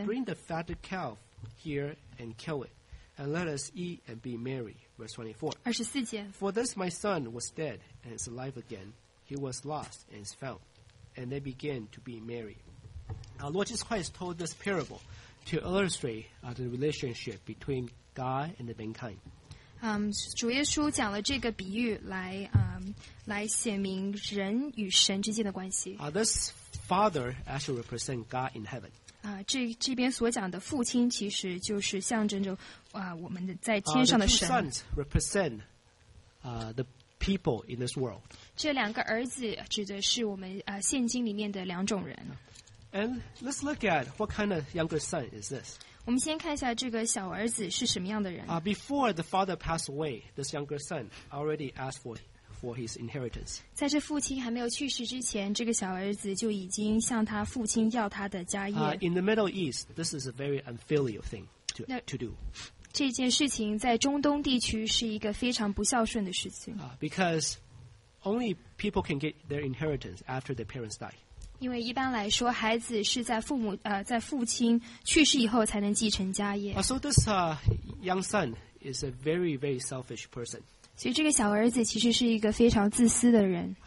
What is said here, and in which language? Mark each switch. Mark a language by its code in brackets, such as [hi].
[en] And bring the fatted calf here and kill it, and let us eat and be merry. Verse 24. [zh] 二十四节。 [en] For this my son was dead and is alive again. He was lost and is found. And they began to be merry. Our Lord Jesus Christ told this parable to illustrate the relationship between God and mankind. [zh] 主耶稣讲了这个比喻来来显明人与神之间的关系。 [en] This father actually represents God in heaven. [zh] 这边所讲的父亲其实就是象征着我们的在天上的神。 [en] The two sons represent the people in this world. [zh] 这两个儿子指的是我们现今里面的两种人。 [en] And let's look at what kind of younger son is this. [zh] 我们先看一下这个小儿子是什么样的人。 [en] Before the father passed away, this younger son already asked for his inheritance. [zh] 在这父亲还没有去世之前，这个小儿子就已经向他父亲要他的家业。 [en] In the Middle East, this is a very unfilial thing to do. [zh] 这件事情在中东地区是一个非常不孝顺的事情。 [en] Because only people can get their inheritance after their parents die. [zh] 因为一般来说，孩子是在在父亲去世以后才能继承家业。 [en] So this young son is a very, very selfish person. [zh] 所以这个小儿子其实是一个非常自私的人。